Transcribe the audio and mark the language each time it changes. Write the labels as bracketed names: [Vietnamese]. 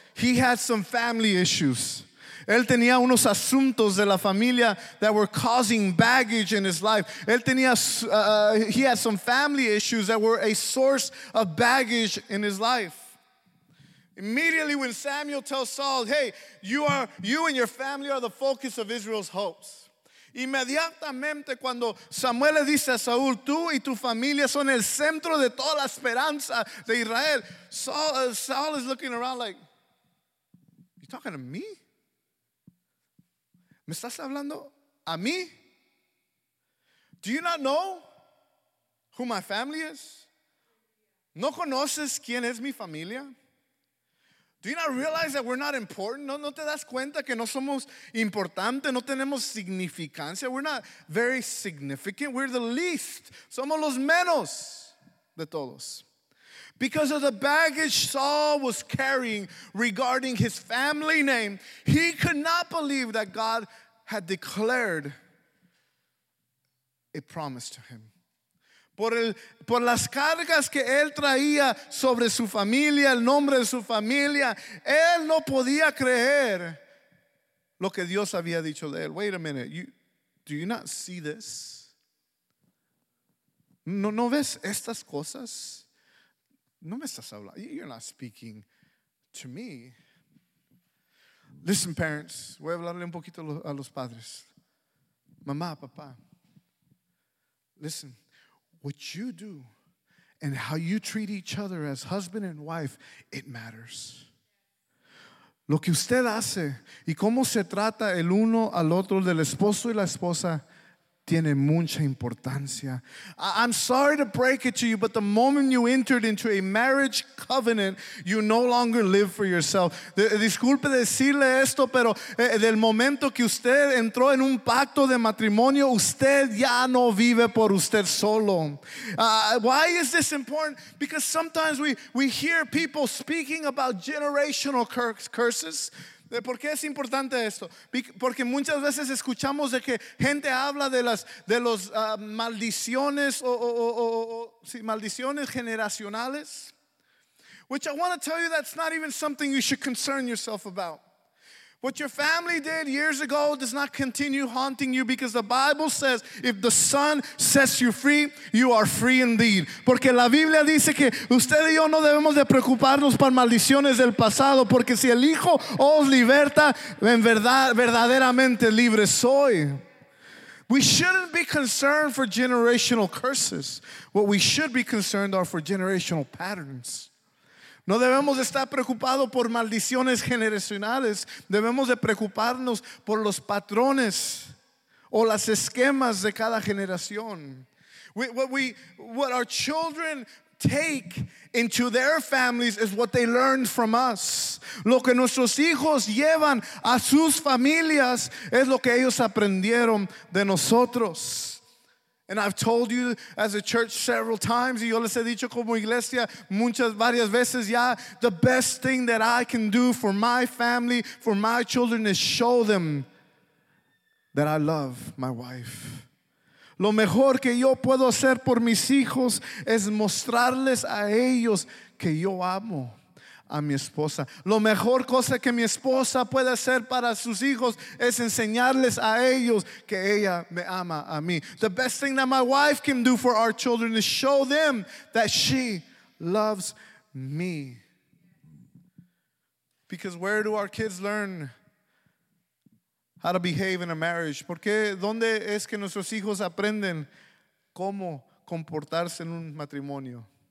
[English] He had some family issues. [Spanish] Él tenía unos asuntos de la familia [English] that were causing baggage in his life. [Spanish] Él tenía, [English] he had some family issues that were a source of baggage in his life. Immediately when Samuel tells Saul, hey, you and your family are the focus of Israel's hopes. [Spanish] Inmediatamente cuando Samuel le dice a Saúl, tú y tu familia son el centro de toda la esperanza de Israel. [English] Saul is looking around like, you talking to me? [Spanish] ¿Me estás hablando a mí? [English] Do you not know who my family is? [Spanish] ¿No conoces quién es mi familia? [English] Do you not realize that we're not important? [Spanish] ¿No, no te das cuenta que no somos importante? ¿No tenemos significancia? [English] We're not very significant. We're the least. [Spanish] Somos los menos de todos. [English] Because of the baggage Saul was carrying regarding his family name, he could not believe that God had declared a promise to him. [Spanish] Por las cargas que él traía sobre su familia, el nombre de su familia, él no podía creer lo que Dios había dicho de él. [English] Wait a minute, do you not see this? [Spanish] ¿No ves estas cosas? No me estás hablando. [English] You're not speaking to me. Listen, parents. [Spanish] Voy a hablarle un poquito a los padres. Mamá, papá. [English] Listen. What you do and how you treat each other as husband and wife, it matters. [Spanish] Lo que usted hace y cómo se trata el uno al otro del esposo y la esposa tiene mucha importancia. [English] I'm sorry to break it to you, but the moment you entered into a marriage covenant, you no longer live for yourself. [Spanish] Disculpe decirle esto, pero del momento que usted entró en un pacto de matrimonio, usted ya no vive por usted solo. [English] Why is this important? Because sometimes we hear people speaking about generational curses. [Spanish] ¿Por qué es importante esto? Porque muchas veces escuchamos de que gente habla de los maldiciones o maldiciones generacionales. [English] Which I want to tell you, that's not even something you should concern yourself about. What your family did years ago does not continue haunting you, because the Bible says if the Son sets you free, you are free indeed. [Spanish] Porque la Biblia dice que usted y yo no debemos de preocuparnos por maldiciones del pasado, porque si el Hijo os liberta, en verdad, verdaderamente libre soy. [English] We shouldn't be concerned for generational curses. What we should be concerned are for generational patterns. [Spanish] No debemos estar preocupados por maldiciones generacionales. Debemos de preocuparnos por los patrones o las esquemas de cada generación. [English] What our children take into their families is what they learn from us. [Spanish] Lo que nuestros hijos llevan a sus familias es lo que ellos aprendieron de nosotros. [English] And I've told you as a church several times, [Spanish] y yo les he dicho como iglesia muchas, varias veces ya, [English] the best thing that I can do for my family, for my children, is show them that I love my wife. [Spanish] Lo mejor que yo puedo hacer por mis hijos es mostrarles a ellos que yo amo a mi esposa. Lo mejor cosa que mi esposa puede hacer para sus hijos es enseñarles a ellos que ella me ama a mí. [English] The best thing that my wife can do for our children is show them that she loves me. Because where do our kids learn how to behave in a marriage? [Spanish] Porque ¿dónde es que nuestros hijos aprenden cómo comportarse en un matrimonio?